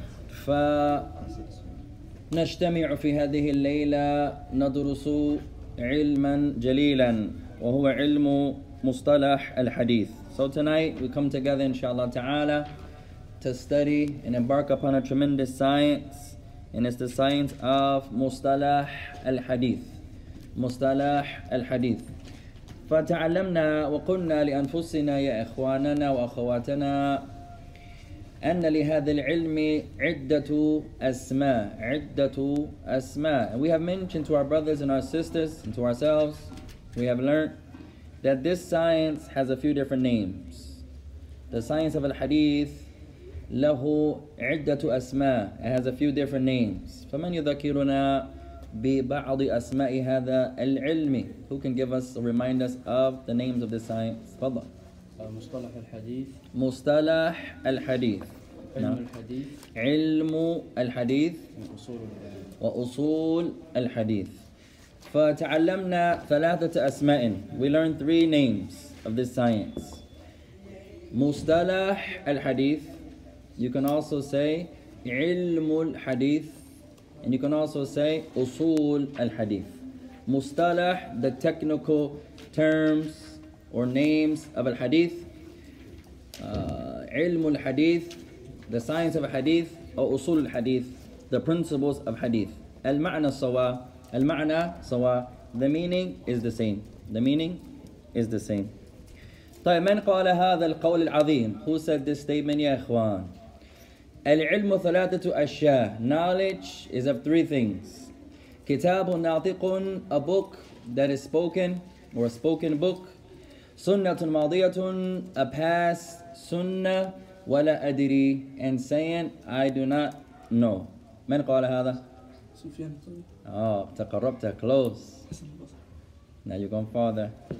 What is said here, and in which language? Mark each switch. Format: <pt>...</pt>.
<ar>فنجتمع في هذه الليلة ندرس علما جليلا. وهو علم مصطلح الحديث.</ar> <en>So tonight we come together, inshallah ta'ala, to study and embark upon a tremendous science, and it's the science of مصطلح الحديث.</en> <ar>مصطلح الحديث. فتعلمنا وقلنا لأنفسنا يا إخواننا وأخواتنا أن لهذا العلم عدة أسماء. عدة أسماء.</ar> <en>We have mentioned to our brothers and our sisters and to ourselves, we have learned that this science has a few different names. The science of al-hadith,</en> <ar>lahu iddatu asma,</ar> <en>it has a few different names.</en> <ar>فَمَنْ يُذَكِرُنَا بِبَعْضِ أَسْمَاءِ هَذَا الْعِلْمِ.</ar> <en>Who can give us or remind us of the names of this science?</en> <ar>فضل. مصطلح الحديث. مصطلح الحديث. علم الحديث. علم الحديث. وأصول الحديث. فتعلمنا ثلاثة أسماء.</ar> <en>We learned three names of this science.</en> <ar>مصطلح الحديث.</ar> <en>You can also say علم الحديث. And you can also say أصول الحديث. مصطلح, the technical terms or names of الحديث. علم الحديث, the science of الحديث. أو أصول الحديث, the principles of الحديث.</en> <ar>المعنى سواء. المعنى سواء.</ar> <en>The meaning is the same. The meaning is the same.</en> <ar>طيب من قال هذا القول العظيم?</ar> <en>Who said this statement,</en> <ar>يا إخوان? العلم ثلاثة أشياء.</ar> <en>Knowledge is of three things.</en> <ar>كتاب ناطق,</ar> <en>a book that is spoken, or a spoken book.</en> <ar>سنة ماضية,</ar> <en>a past</en> <ar>سنة. ولا أدري,</ar> <en>and saying, I do not know.</en> <ar>من قال هذا? سفيان. اه تقربت.</ar> <en>Close. Now you're going farther.</en>